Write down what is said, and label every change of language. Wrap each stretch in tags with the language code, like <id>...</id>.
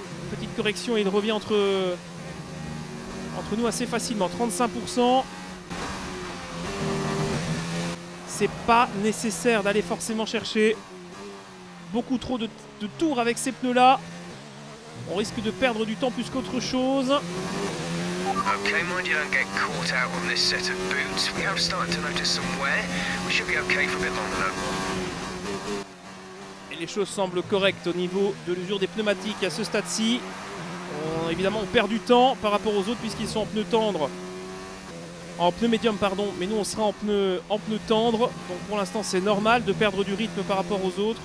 <fr>Petite correction et il revient entre nous assez facilement. 35%. C'est pas nécessaire d'aller forcément chercher beaucoup trop de tours avec ces pneus-là. On risque de perdre du temps plus qu'autre chose.</fr> <en>Okay, mind you don't get caught out on this set of boots. We have started to notice some wear. We should be okay for a bit longer.</en> <fr>Les choses semblent correctes au niveau de l'usure des pneumatiques à ce stade-ci. Évidemment, on perd du temps par rapport aux autres puisqu'ils sont en pneus tendres. En pneus médiums, pardon. Mais nous, on sera en pneus tendres. Donc pour l'instant, c'est normal de perdre du rythme par rapport aux autres.</fr>